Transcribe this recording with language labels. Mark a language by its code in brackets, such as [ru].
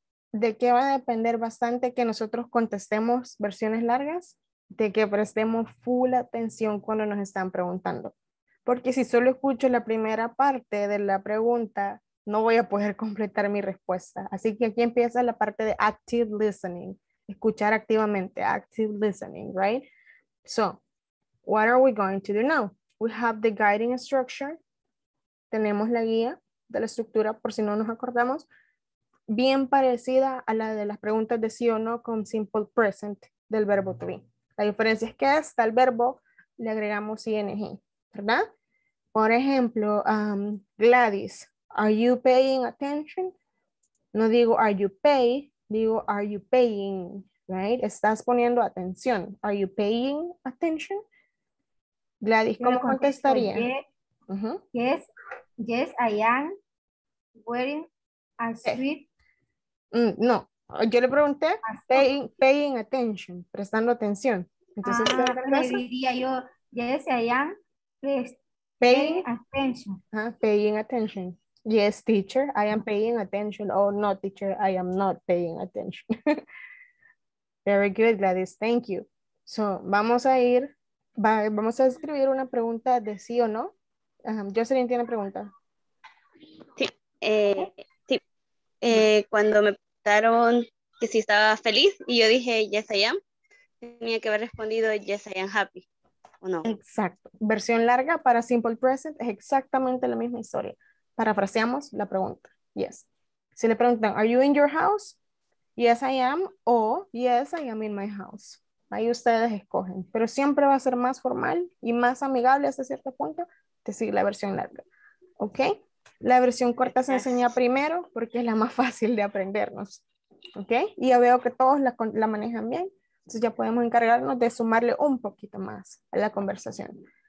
[es] ¿De qué va a depender bastante que nosotros contestemos versiones largas? De que prestemos full atención cuando nos están preguntando. Porque si solo escucho la primera parte de la pregunta, no voy a poder completar mi respuesta. Así que aquí empieza la parte de active listening. Escuchar activamente, [en] active listening, right? So, what are we going to do now? We have the guiding structure. [es] Tenemos la guía de la estructura, por si no nos acordamos. Bien parecida a la de las preguntas de sí o no con simple present del verbo to be. La diferencia es que hasta el verbo le agregamos ing, ¿verdad? Por ejemplo, [en] Gladys, are you paying attention? [es] No digo [en] are you pay, [es] digo [en] are you paying, right? [es] Estás poniendo atención. [en] Are you paying attention? [es] Gladys, ¿cómo contestaría? [en] Yes, yes, I am wearing a suit. [es] No, Yo le pregunté, [en] paying attention, [es] prestando atención. Entonces, ¿qué diría yo? [en] Yes, I am. Paying attention. Yes, teacher, I am paying attention. Oh, no, teacher, I am not paying attention. Very good, Gladys, thank you. [es] So, vamos a escribir una pregunta de sí o no. Jocelyn tiene pregunta. Cuando me preguntaron que si estaba feliz y yo dije [en] yes, I am, [es] tenía que haber respondido [en] yes, I am happy. [es] No. Exacto. Versión larga para simple present es exactamente la misma historia. Parafraseamos la pregunta. Yes. Si le preguntan, [en] are you in your house? Yes, I am. [es] O [en] yes, I am in my house. [es] Ahí ustedes escogen. Pero siempre va a ser más formal y más amigable hasta cierto punto decir la versión larga. ¿Ok? La versión corta se enseña primero porque es la más fácil de aprendernos. ¿Ok? Y ya veo que todos la manejan bien. Entonces ya podemos encargarnos de sumarle un poquito más a la conversación.